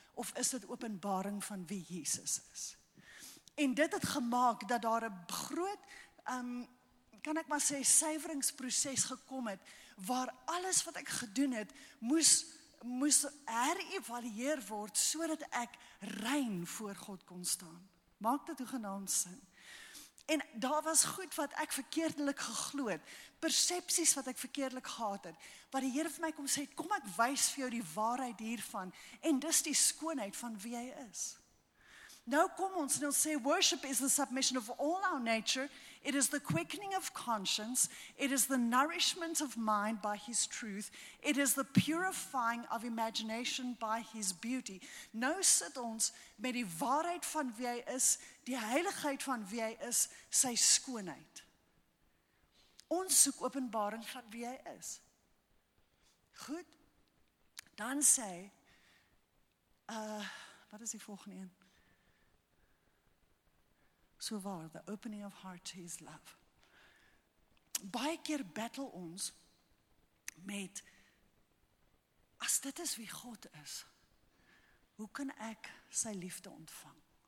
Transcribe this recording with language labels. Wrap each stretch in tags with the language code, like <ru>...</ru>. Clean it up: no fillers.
<af>Of is dit openbaring van wie Jesus is? En dit het gemaak dat daar 'n groot, kan ek maar sê, suiweringsproses gekom het, waar alles wat ek gedoen het, moes herëvalueer word, sodat ek rein voor God kon staan. Maak dit hoegenaamd sin. En daar was goed wat ek verkeerdelik geglo het, persepsies wat ek verkeerdelik gehad het, wat die Here vir my kom sê, kom ek wys vir jou die waarheid hiervan, en dis die skoonheid van wie jy is. Nou kom ons en ons sê,</af> <en>worship is the submission of all our nature, it is the quickening of conscience, it is the nourishment of mind by His truth, it is the purifying of imagination by His beauty.</en> <af>Nou sit ons met die waarheid van wie hy is, die heiligheid van wie hy is, sy skoonheid. Ons soek openbaring van wie hy is. Goed, dan sê, wat is die volgende een? So waar,</af> <en>the opening of heart to His love.</en> <af>Baie keer battle ons met, as dit is wie God is, hoe kan ek sy liefde ontvang?</af>